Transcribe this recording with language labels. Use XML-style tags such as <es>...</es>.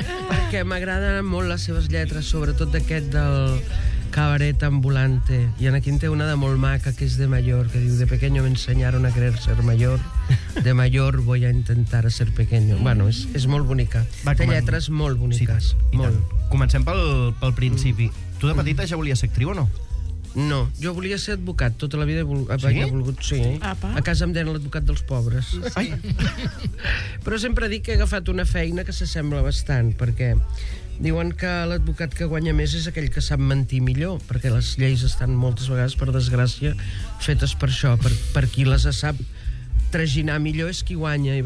<ca>Perquè m'agraden molt les seves lletres, sobretot d'aquest del cabaret ambulante. I en aquí en té una de molt maca, que és de mayor, que diu,</ca> <es>de pequeño me enseñaron a querer ser mayor, de mayor voy a intentar a ser pequeño.</es> <ca>Bueno, és molt bonica. Va, té lletres molt boniques. Sí, molt. Comencem pel principi. Tu de petita ja volies ser actriu o no? No, jo volia ser advocat. Tota la vida he volgut... Sí? Apa. A casa em deien l'advocat dels pobres. Ai. Però sempre dic que he agafat una feina que s'assembla bastant, perquè diuen que l'advocat que guanya més és aquell que sap mentir millor, perquè les lleis estan moltes vegades, per desgràcia, fetes per això, per qui les sap traginar millor és qui guanya.</ca>